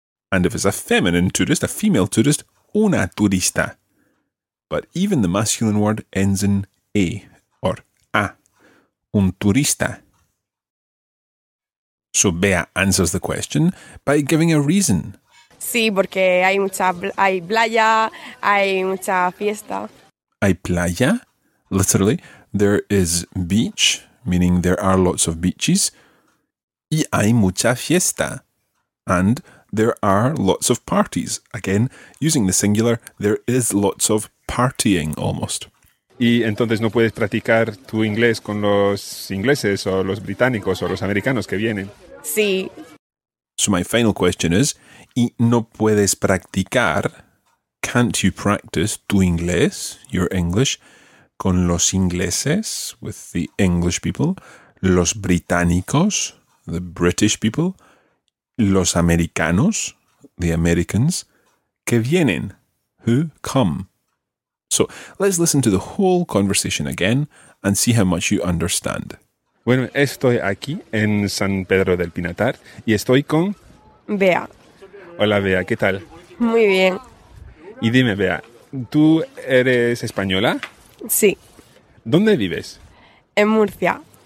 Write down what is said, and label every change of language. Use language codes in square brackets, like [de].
[en] And if it's a feminine tourist, a female tourist, una turista. But even the masculine word ends in a or a, un turista. So Bea answers the question by giving a reason. [es] Sí, porque hay playa, hay mucha fiesta. Hay playa, literally. [en] There is beach, meaning there are lots of beaches. [es] Y hay mucha fiesta. [en] And there are lots of parties. Again, using the singular, there is lots of partying, almost. [es] Y entonces no puedes practicar tu inglés con los ingleses o los británicos o los americanos que vienen. Sí. [en] So my final question is, [es] y no puedes practicar, [en] can't you practice [es] tu inglés, [en] your English, [es] con los ingleses, [en] with the English people, [es] los británicos, [en] the British people, [es] los americanos, [en] the Americans, [es] que vienen, [en] who come. So let's listen to the whole conversation again and see how much you understand. [es] Bueno, estoy aquí en San Pedro del Pinatar y estoy con... Bea. Hola, Bea, ¿qué tal? Muy bien. Y dime, Bea, ¿tú eres española? Sí. ¿Dónde vives? En Murcia.